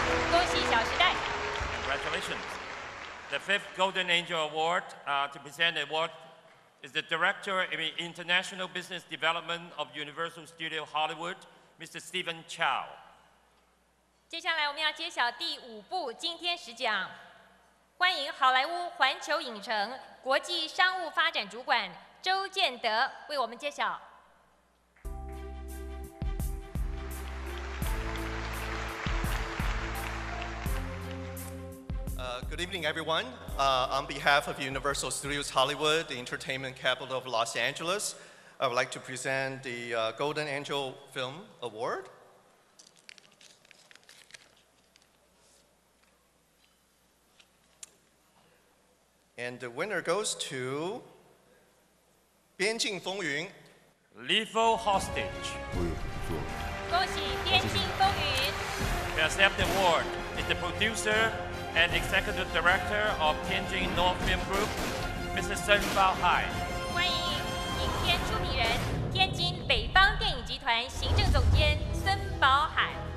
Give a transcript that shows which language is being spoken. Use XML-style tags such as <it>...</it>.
<zh>恭喜小时代。</zh> <en>Congratulations. The fifth Golden Angel Award to present the award is the Director of International Business Development of Universal Studio Hollywood, Mr. Stephen Chow.</en> <zh>接下来我们要揭晓第五部金天使奖，欢迎好莱坞环球影城国际商务发展主管周建德为我们揭晓。</zh> <en>Good evening, everyone. On behalf of Universal Studios Hollywood, the entertainment capital of Los Angeles, I would like to present the Golden Angel Film Award. And the winner goes to 边境风云 Lethal Hostage.</en> <zh>恭喜边境风云</zh> <en>We accept the award. It's the producer. And Executive Director of Tianjin North Film Group, Mr. Shen Baohai.</en> <zh>欢迎影片出品人天津北方电影集团行政总监孙宝海。</zh>